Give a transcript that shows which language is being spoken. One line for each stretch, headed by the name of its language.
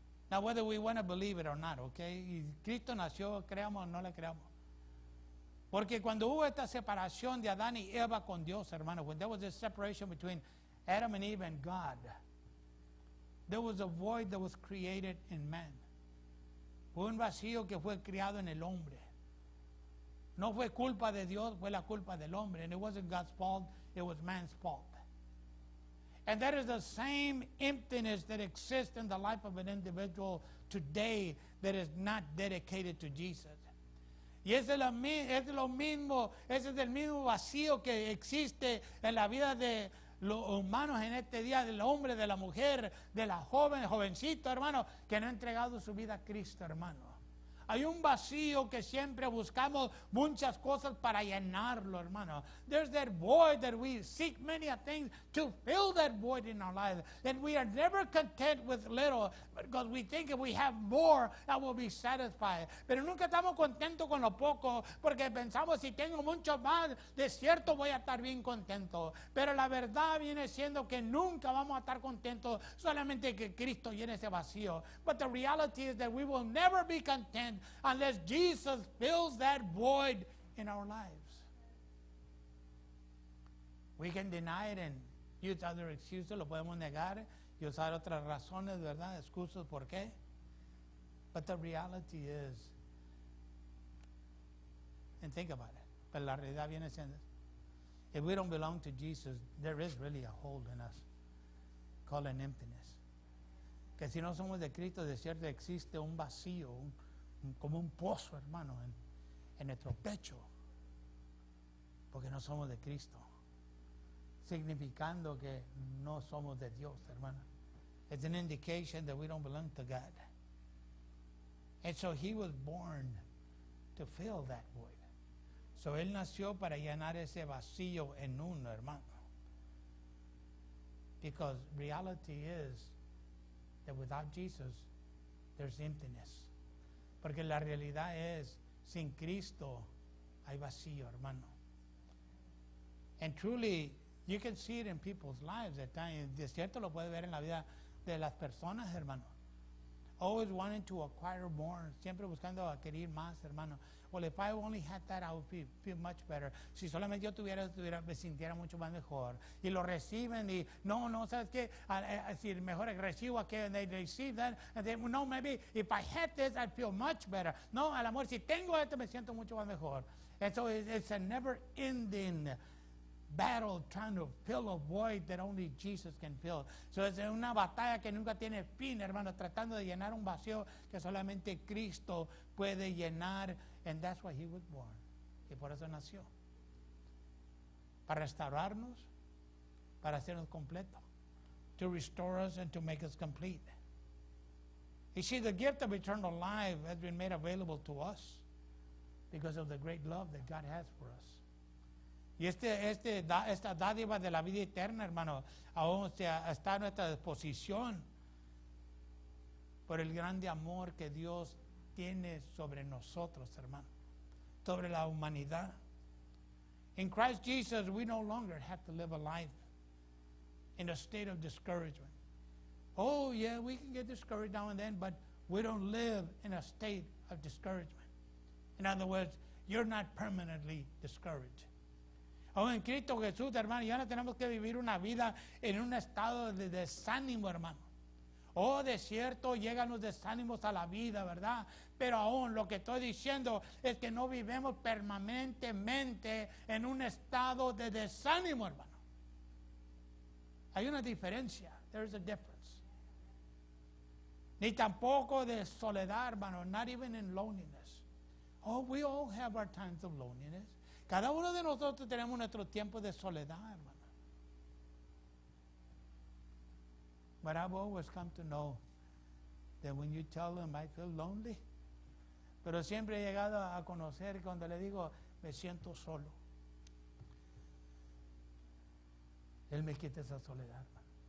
English: Now, whether we want to believe it or not, okay?
Spanish: Y Cristo nació, creamos o no le creamos. Porque cuando hubo esta separación de Adán y Eva con Dios, hermano,
English: when there was this separation between Adam and Eve and God, there was a void that was created in man.
Spanish: Fue un vacío que fue creado en el hombre. No fue culpa de Dios, fue la culpa del hombre.
English: And it wasn't God's fault, it was man's fault. And that is the same emptiness that exists in the life of an individual today that is not dedicated to Jesus.
Spanish: Y es lo mismo, ese es el mismo vacío que existe en la vida de los humanos en este día, del hombre, de la mujer, de la jovencito, hermano, que no ha entregado su vida a Cristo, hermano. Hay un vacío que siempre buscamos muchas cosas para llenarlo, hermano.
English: There's that void that we seek many things to fill that void in our lives. That we are never content with little because we think if we have more, that will be satisfied.
Spanish: Pero nunca estamos contentos con lo poco porque pensamos si tengo mucho más, de cierto voy a estar bien contento. Pero la verdad viene siendo que nunca vamos a estar contentos solamente que Cristo llene ese vacío.
English: But the reality is that we will never be content unless Jesus fills that void in our lives. We can deny it and use other excuses.
Spanish: Lo podemos negar y usar otras razones, ¿verdad? Excusas, ¿por qué?
English: But the reality is, and think about it,
Spanish: pero la realidad viene siendo,
English: if we don't belong to Jesus, there is really a hole in us called an emptiness.
Spanish: Que si no somos de Cristo, de cierto existe un vacío, un como un pozo, hermano, en nuestro pecho, porque no somos de Cristo, significando que no somos de Dios, hermano.
English: It's an indication that we don't belong to God. And so he was born to fill that void.
Spanish: So él nació para llenar ese vacío en uno, hermano.
English: Because reality is that without Jesus, there's emptiness.
Spanish: Porque la realidad es, sin Cristo hay vacío, hermano.
English: And truly, you can see it in people's lives at times.
Spanish: De cierto, lo puede ver en la vida de las personas, hermano.
English: Always wanting to acquire more.
Spanish: Siempre buscando adquirir más, hermano.
English: Well, if I only had that, I would feel much better.
Spanish: Si solamente yo tuviera, me sintiera mucho más mejor. Y lo reciben y, no, ¿sabes qué? Si mejor recibo aquello,
English: and they receive that. And they, no, maybe if I had this, I'd feel much better.
Spanish: No, al amor, si tengo esto, me siento mucho más mejor.
English: And so it's a never-ending battle trying to fill a void that only Jesus can fill.
Spanish: So es una batalla que nunca tiene fin, hermano, tratando de llenar un vacío que solamente Cristo puede llenar.
English: And that's why he was born.
Spanish: Y por eso nació. Para restaurarnos, para hacernos completo.
English: To restore us and to make us complete. You see, the gift of eternal life has been made available to us because of the great love that God has for us.
Spanish: Y esta dádiva de la vida eterna, hermano, aún está a nuestra disposición por el grande amor que Dios tiene sobre nosotros, hermano, sobre la humanidad.
English: In Christ Jesus, we no longer have to live a life in a state of discouragement. Oh, yeah, we can get discouraged now and then, but we don't live in a state of discouragement. In other words, you're not permanently discouraged.
Spanish: Oh, en Cristo Jesús, hermano, ya no tenemos que vivir una vida en un estado de desánimo, hermano. Oh, de cierto, llegan los desánimos a la vida, ¿verdad? Pero aún lo que estoy diciendo es que no vivemos permanentemente en un estado de desánimo, hermano. Hay una diferencia.
English: There is a difference.
Spanish: Ni tampoco de soledad, hermano.
English: Not even in loneliness. Oh, we all have our times of loneliness.
Spanish: Cada uno de nosotros tenemos nuestro tiempo de soledad, hermano.
English: But I've always come to know that when you tell them I feel lonely,
Spanish: pero siempre he llegado a conocer cuando le digo me siento solo, él me quita esa soledad, man.